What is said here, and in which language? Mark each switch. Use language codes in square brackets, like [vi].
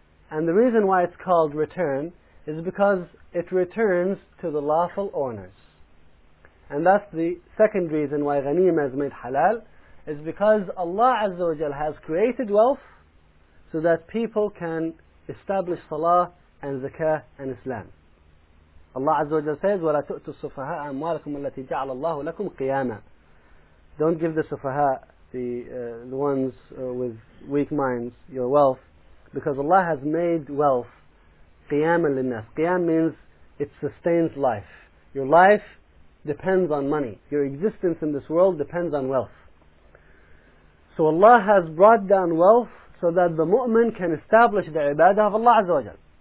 [en] And the reason why it's called return is because it returns to the lawful owners. And that's the second reason why ghanima is made halal, is because Allah Azza wa Jal has created wealth so that people can establish salah and zakah and Islam. [ar] Allah Azza wa Jal says, وَلَا تُؤْتُوا السُّفَهَاءَ أَمْوَالَكُمْ الَّتِي جَعَلَ اللَّهُ لَكُمْ قِيَامًا. [en] Don't give the sufaha, the ones with weak minds, your wealth, because Allah has made wealth [ar] قيام للناس. [en] قيام means it sustains life. Your life depends on money. Your existence in this world depends on wealth. So Allah has brought down wealth so that the mu'min can establish the ibadah of Allah Azza wa Jal.